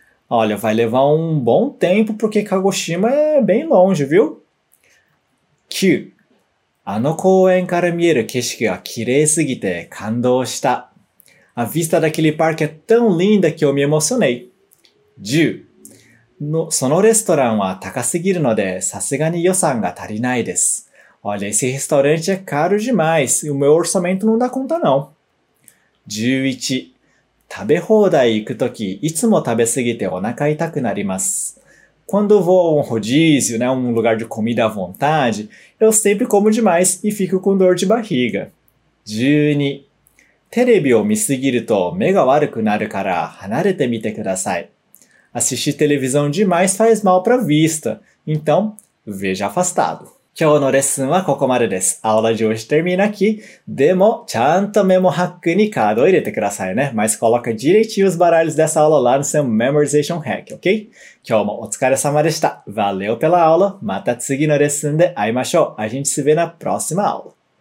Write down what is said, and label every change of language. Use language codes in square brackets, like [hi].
[pt] Olha, vai levar um bom tempo porque Kagoshima é bem longe, viu? 9. [ja] Ano kouen kara mieru keshiki ga kirei sugite kandou shita. [pt] A vista daquele parque é tão linda que eu me emocionei. 10. [ja] そのレストランは高すぎるので、さすがに予算が足りないです。 [pt] Olha, esse restaurante é caro demais. O meu orçamento não dá conta, não. 11. [ja] 食べ放題行くとき、いつも食べすぎてお腹痛くなります。 [pt] Quando vou a um rodízio, né, um lugar de comida à vontade, eu sempre como demais e fico com dor de barriga. 12. [ja] Televisão を見すぎると目が悪くなるから離れてみてください。 [pt] Assistir televisão demais faz mal para a vista. Então, veja afastado. [ja] 今日のレッスンはここまでです。アオラジオシテミナキ。でも、ちゃんとメモハックにカードを入れてくださいね。 [pt] Mas coloca direitinho os baralhos dessa aula lá no seu memorization hack, ok? [ja] 今日もお疲れ様でした。 [pt] Valeu pela aula. [ja] また次のレッスンで会いましょう。 [pt] A gente se vê na próxima aula.